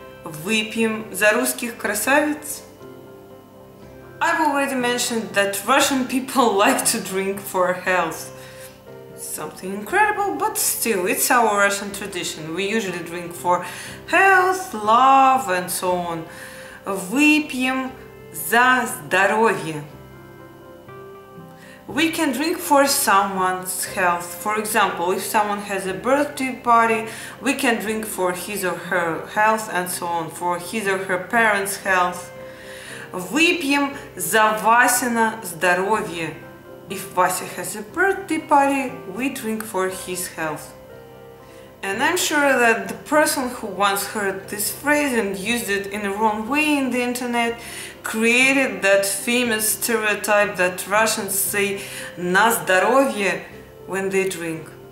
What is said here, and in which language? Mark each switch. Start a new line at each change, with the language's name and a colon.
Russian: Выпьем за русских красавиц.
English: I've already mentioned that Russian people like to drink for health. Something incredible, but still, it's our Russian tradition. We usually drink for health, love, and so on.
Russian: Выпьем за здоровье.
English: We can drink for someone's health. For example, if someone has a birthday party, we can drink for his or her health and so on, for his or her parents' health.
Russian: Выпьем за Васина здоровье.
English: If Vasya has a birthday party, we drink for his health. And I'm sure that the person who once heard this phrase and used it in a wrong way in the internet created that famous stereotype that Russians say
Russian: на здоровье
English: when they drink.